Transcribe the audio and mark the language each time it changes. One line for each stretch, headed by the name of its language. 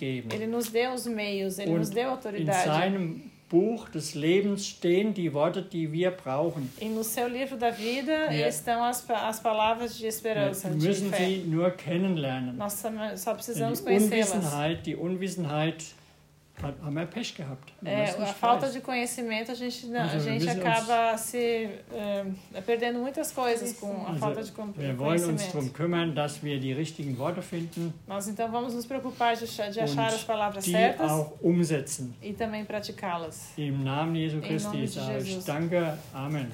Portuguese: Ele nos deu os meios, ele nos deu autoridade.
German: In seinem Buch des Lebens stehen die Worte, die wir brauchen.
Portuguese: E no seu livro da vida estão as palavras de esperança, de fé.
German: Müssen sie nur kennenlernen.
Portuguese: Nós só precisamos conhecê-las.
German: Die Unwissenheit haben wir Pech gehabt.
Portuguese: A falta de conhecimento, a gente acaba perdendo muitas coisas com a falta de conhecimento.
German: Wir wollen uns darum kümmern, dass wir die richtigen Worte finden.
Portuguese: Nós então vamos nos preocupar de achar as palavras
German: die
Portuguese: certas
German: auch umsetzen.
Portuguese: E também praticá-las.
German: Im Namen Jesu Christi sage ich danke. Amen.